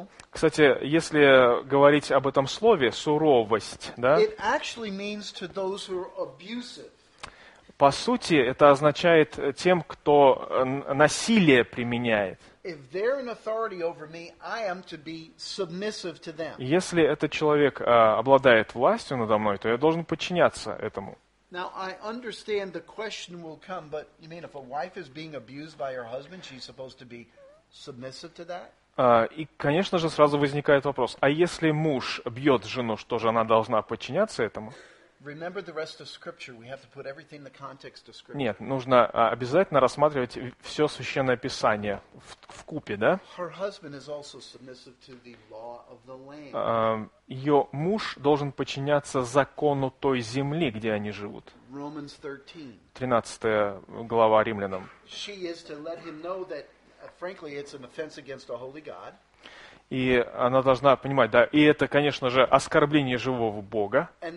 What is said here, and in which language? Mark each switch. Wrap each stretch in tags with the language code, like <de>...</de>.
<ru>Кстати, если говорить об этом слове, суровость, да?</ru> <en>It actually means to those who are abusive.</en> <ru>По сути, это означает тем, кто насилие применяет.</ru> <en>If they're an authority over me, I am to be submissive to them.</en> <ru>Если этот человек обладает властью надо мной, то я должен подчиняться этому.</ru> <en>Now, I understand the question will come, but you mean if a wife is being abused by her husband, she's supposed to be submissive to that?</en> <ru>И, конечно же, сразу возникает вопрос, а если муж бьет жену, что же она должна подчиняться этому?</ru> <en>Remember the rest of Scripture. We have to put everything in the context of Scripture.</en> <ru>Нет, нужно обязательно рассматривать все Священное Писание в купе, да?</ru> <en>Her husband is also submissive to the law of the land.</en> <ru>Ее муж должен подчиняться закону той земли, где они живут.</ru> <en>Romans 13.</en> <ru>13 глава Римлянам.</ru> <en>She is to let him know that, frankly, it's an offense against a holy God.</en> <ru>И она должна понимать, да, и это, конечно же, оскорбление живого Бога.</ru>